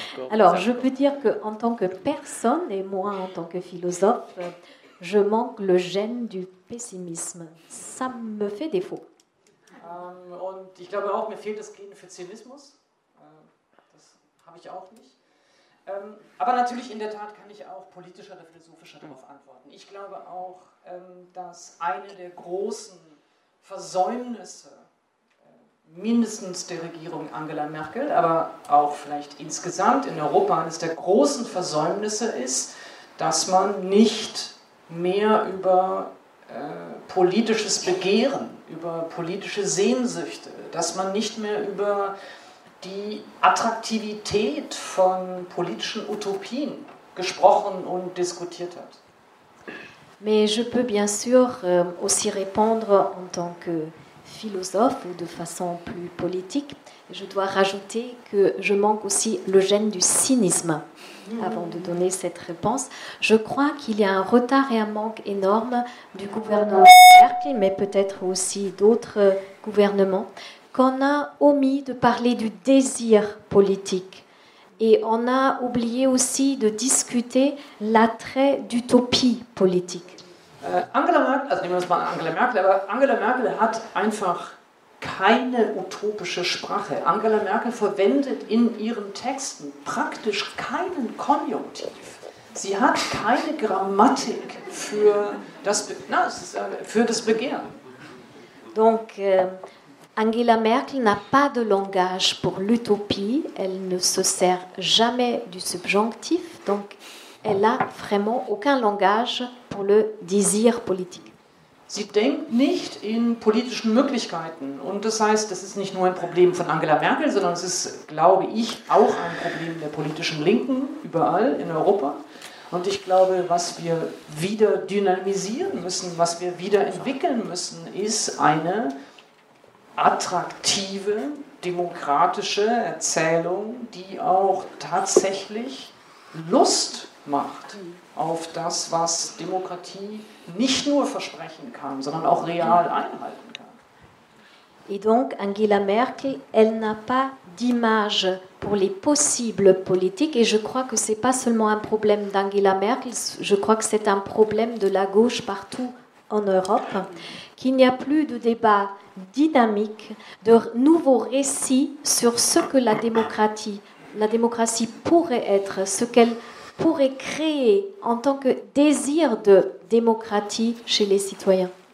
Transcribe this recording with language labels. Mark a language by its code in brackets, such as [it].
[fr] Alors, je peux dire que en tant que personne et moi en tant que philosophe, je manque le gène du pessimisme. Ça me fait défaut. [de] Und ich glaube auch, mir fehlt das Gen für Zynismus. Das habe ich auch nicht. Aber natürlich, in der Tat, kann ich auch politischer oder philosophischer darauf antworten. Ich glaube auch, dass eine der großen Versäumnisse mindestens der Regierung Angela Merkel, aber auch vielleicht insgesamt in Europa, eines der großen Versäumnisse ist, dass man nicht mehr über politisches Begehren, über politische Sehnsüchte, dass man nicht mehr über die Attraktivität von politischen Utopien gesprochen und diskutiert hat. [fr] Mais je peux bien sûr aussi répondre en tant que philosophe ou de façon plus politique. Je dois rajouter que je manque aussi le gène du cynisme. Avant de donner cette réponse, je crois qu'il y a un retard et un manque énorme du gouvernement Merkel, mais peut-être aussi d'autres gouvernements, qu'on a omis de parler du désir politique. Et on a oublié aussi de discuter l'attrait d'utopie politique. [de] Angela Merkel hat einfach keine utopische Sprache. Angela Merkel verwendet in ihren Texten praktisch keinen Konjunktiv. Sie hat keine Grammatik für das Begehren. [fr] Donc Angela Merkel n'a pas de langage pour l'utopie. Elle ne se sert jamais du subjonctif. Donc elle a vraiment aucun langage pour le désir politique. [de] Sie denkt nicht in politischen Möglichkeiten. Und das heißt, das ist nicht nur ein Problem von Angela Merkel, sondern es ist, glaube ich, auch ein Problem der politischen Linken überall in Europa. Und ich glaube, was wir wieder dynamisieren müssen, was wir wieder entwickeln müssen, ist eine attraktive, demokratische Erzählung, die auch tatsächlich Lust macht auf das, was Demokratie nicht nur versprechen kann, sondern auch real einhalten kann. [fr] Et donc Angela Merkel, elle n'a pas d'image pour les possibles politiques, et je crois que c'est pas seulement un problème d'Angela Merkel, je crois que c'est un problème de la gauche partout en Europe, qu'il n'y a plus de débat dynamique, de nouveaux récits sur ce que la démocratie pourrait être, ce qu'elle pourrait créer en tant que désir de démocratie chez les citoyens.